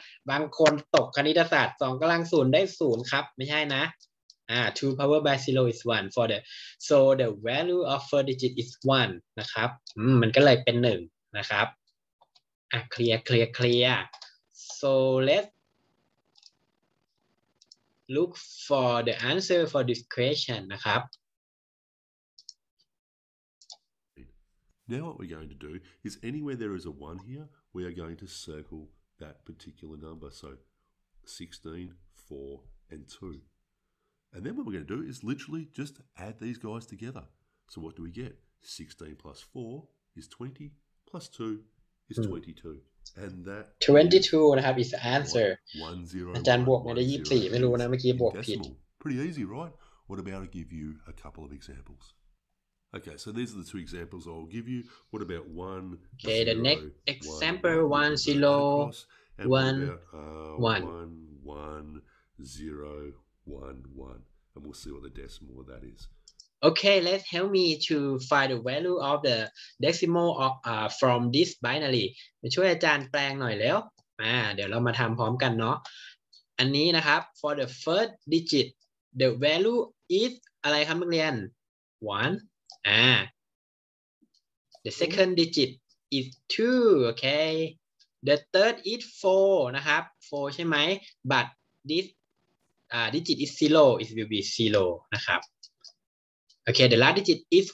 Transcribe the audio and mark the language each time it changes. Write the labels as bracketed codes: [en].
[th] บางคนตกคณิตศาสตร์2กำลัง0ได้0ครับไม่ใช่นะ [en] 2 power by 0 is 1 for the so the value of first digit is 1นะครับ [th] มันก็เลยเป็น1นะครับอ่ะเคลียร์เคลียร์เคลียร์ [en] so let's look for the answer for this question นะครับ now what we're going to do is anywhere there is a 1 here we are going to circle that particular number so 16 4 and 2 and then what we're going to do is literally just add these guys together so what do we get 16 plus 4 is 20 plus 2is 22 and that 22 นะครับ is the answer 101 [th] อาจารย์บวกมาได้24ไม่รู้นะเมื่อกี้บวกผิด [en] pretty easy right what about I give you a couple of examples okay so these are the two examples I'll give you what about 1 okay zero, the next example 1 0 1 1 0 1 1 and we'll see what the decimal of that is Okay, let's help me to find the value of the decimal of, from this binary. [th] ช่วยอาจารย์แปลงหน่อยแล้วเดี๋ยวเรามาทำพร้อมกันเนาะอันนี้นะครับ [en] for the first digit the value is [th] อะไรครับนักเรียน [en] 1 the second digit is 2 okay the third is 4นะครับ4ใช่ไหม but this digit is 0 it will be 0นะครับOkay, the last digit is